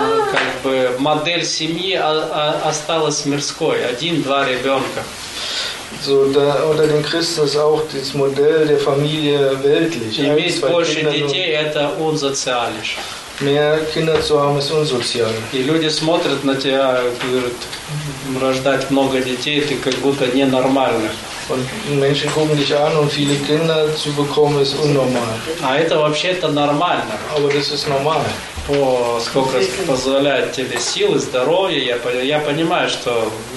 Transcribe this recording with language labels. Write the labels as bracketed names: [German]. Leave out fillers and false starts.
[Russian] Как бы модель семьи осталась мирской. Один-два ребенка. [German] So, da, unter den Christen ist auch das Modell der Familie weltlich. Mehr Kinder zu haben, ist unsozial. Die Leute schauen auf dich und sagen, du hast viele Kinder, du bist normal. Und Menschen gucken dich an und viele Kinder zu bekommen, ist unnormal. Aber das ist normal. [Russian] Сколько позволяет тебе силы, здоровья, я понимаю, что...